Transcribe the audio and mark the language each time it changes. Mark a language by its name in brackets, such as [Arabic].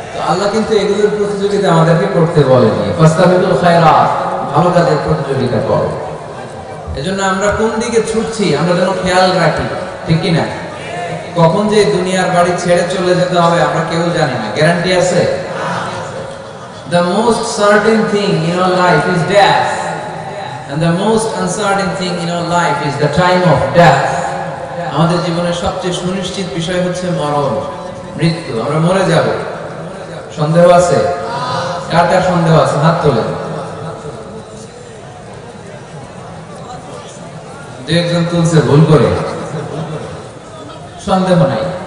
[Bangla] আল্লাহ কিন্তু এগুলোর প্রতিযোগিতা আমাদেরকে করতে বলেনি। [Arabic] ফাস্তাবিকুল খায়রাত, [Bangla] ভালো কাজের প্রতিযোগিতা কর। এজন্য আমরা কোন দিকে ছুটছি আমরা যেন খেয়াল রাখি, ঠিক কিনা? কখন যে দুনিয়ার বাড়ি ছেড়ে চলে যেতে হবে আমরা কেউ জানি না, গ্যারান্টি আছে? [English] The most certain thing in our life is death, and the most uncertain thing in our life is the time of death. [Bangla] আমাদের জীবনের সবচেয়ে সুনিশ্চিত বিষয় হচ্ছে মরণ, মৃত্যু। আমরা মরে যাব, সন্দেহ আছে? কার কার সন্দেহ আছে হাত তোলে? দু একজন তুলছে ভুল করে, সন্দেহ নাই।